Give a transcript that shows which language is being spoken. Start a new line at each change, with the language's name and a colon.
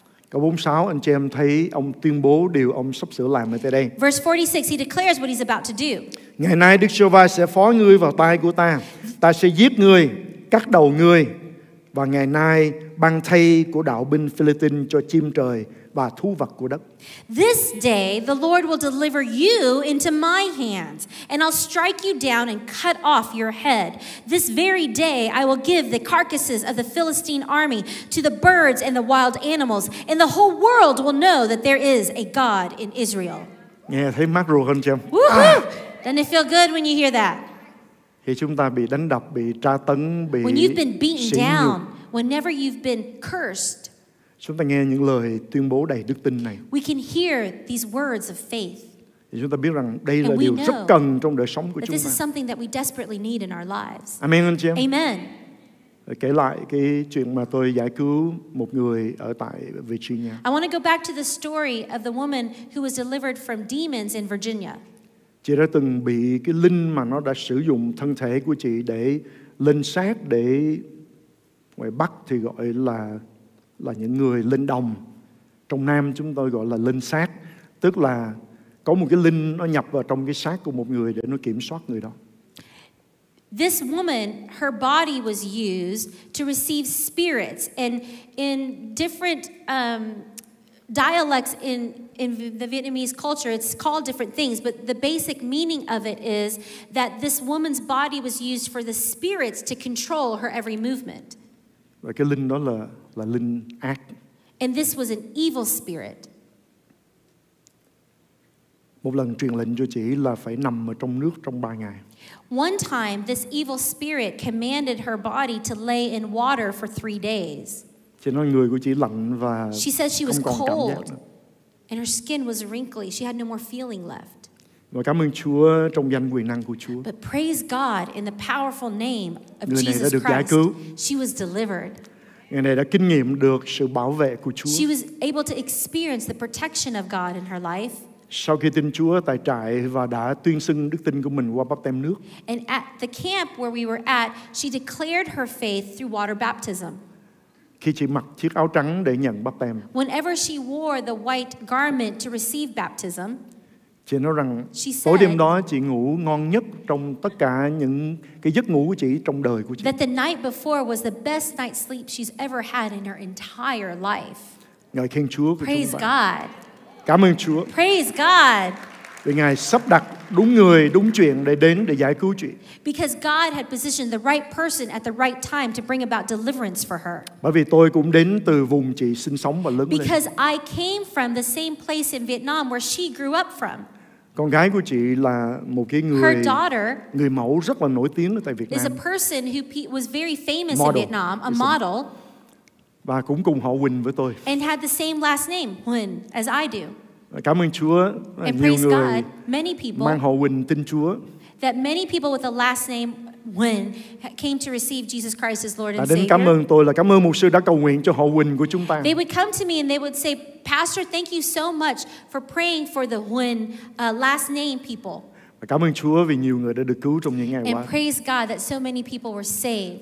Vietnamese: Câu 46, anh chị em thấy ông tuyên bố điều ông sắp sửa làm ở đây.
English: Verse 46, he declares what he's about to do.
Vietnamese: Ngày nay Đức Giê-hô-va sẽ phó ngươi vào tay của ta. Ta sẽ giết ngươi, cắt đầu ngươi. Và ngày nay băng thay của đạo binh Philistine cho chim trời và thú vật của đất.
English: This day the Lord will deliver you into my hands, and I'll strike you down and cut off your head. This very day I will give the carcasses of the Philistine army to the birds and the wild animals, and the whole world will know that there is a God in Israel.
Vietnamese: Nghe thấy mát ruột không chị em?
English: Doesn't it feel good when you hear that?
Vietnamese: Khi chúng ta bị đánh đập, bị tra tấn, bị
English: when you've been beaten down, whenever you've been cursed,
Vietnamese: chúng ta nghe những lời tuyên bố đầy đức tin này.
English: We can hear these words of faith.
Vietnamese: Thì chúng ta biết rằng đây là điều rất cần trong đời sống của chúng ta.
English: This is something that we desperately need in our lives.
Vietnamese: Amen, anh chị em.
English: Amen.
Vietnamese: Kể lại cái chuyện mà tôi giải cứu một người ở tại Virginia.
English: I want to go back to the story of the woman who was delivered from demons in Virginia.
Vietnamese: Chị đã từng bị cái linh mà nó đã sử dụng thân thể của chị để linh sát, để ngoài Bắc thì gọi là những người linh đồng. Trong Nam chúng tôi gọi là linh sát, tức là có một cái linh nó nhập vào trong cái xác của một người để nó kiểm soát người đó.
English: This woman, her body was used to receive spirits, and in different dialects in the Vietnamese culture, it's called different things, but the basic meaning of it is that this woman's body was used for the spirits to control her every movement.
Vietnamese: Và cái linh đó là linh ác.
English: And this was an evil spirit.
Vietnamese: Một lần truyền lệnh cho chị là phải nằm ở trong nước trong 3 ngày.
English: One time, this evil spirit commanded her body to lay in water for 3 days.
Vietnamese: Chị nói người của chị lạnh và
English: she said she was cold and her skin was wrinkly. She had no more feeling left.
Vietnamese: Và cảm ơn Chúa trong danh quyền năng của Chúa.
English: But praise God in the powerful name of
Vietnamese: người
English: Jesus
Vietnamese: này đã được
English: Christ.
Vietnamese: Giải cứu.
English: She was delivered.
Vietnamese: Người này đã kinh nghiệm được sự bảo vệ của Chúa.
English: She was able to experience the protection of God in her life.
Vietnamese: Sau khi tin Chúa tại trại và đã tuyên xưng đức tin của mình qua báp têm nước.
English: And at the camp where we were at, she declared her faith through water baptism.
Vietnamese: Khi chị mặc chiếc áo trắng để nhận báp têm.
English: Whenever she wore the white garment to receive baptism.
Vietnamese: Chị nói rằng
English: she said,
Vietnamese: tối đêm đó chị ngủ ngon nhất trong tất cả những cái giấc ngủ của chị trong đời của chị.
English: That the night before was the best night's sleep she's ever had in her entire life.
Vietnamese: Ngợi khen Chúa của
English: praise
Vietnamese: chúng
English: God.
Vietnamese: Cảm ơn Chúa.
English: Praise God.
Vietnamese: Vì Ngài sắp đặt đúng người, đúng chuyện để đến để giải cứu chị.
English: Because God had positioned the right person at the right time to bring about deliverance for her.
Vietnamese: Bởi vì tôi cũng đến từ vùng chị sinh sống và lớn lên.
English: Because I came from the same place in Vietnam where she grew up from.
Vietnamese: Con gái của chị là một cái người
English: her daughter,
Vietnamese: người mẫu rất là nổi tiếng ở tại Việt Nam.
English: Is a person who was very famous model. In Vietnam, a model.
Vietnamese: Và cũng cùng họ Huỳnh với tôi.
English: And had the same last name, Huỳnh, as I do.
Vietnamese: Cảm ơn Chúa là
English: and
Vietnamese: nhiều người
English: God, many people,
Vietnamese: mang họ Huỳnh tin Chúa.
English: That many people with the last name Huỳnh came to receive Jesus Christ as Lord and Savior.
Vietnamese: Đến cảm ơn tôi là cảm ơn mục sư đã cầu nguyện cho họ Huỳnh của chúng ta.
English: They would come to me and they would say, Pastor, thank you so much for praying for the Huỳnh last name people.
Vietnamese: Cảm ơn Chúa vì nhiều người đã được cứu trong những ngày qua.
English: And praise God that so many people were saved.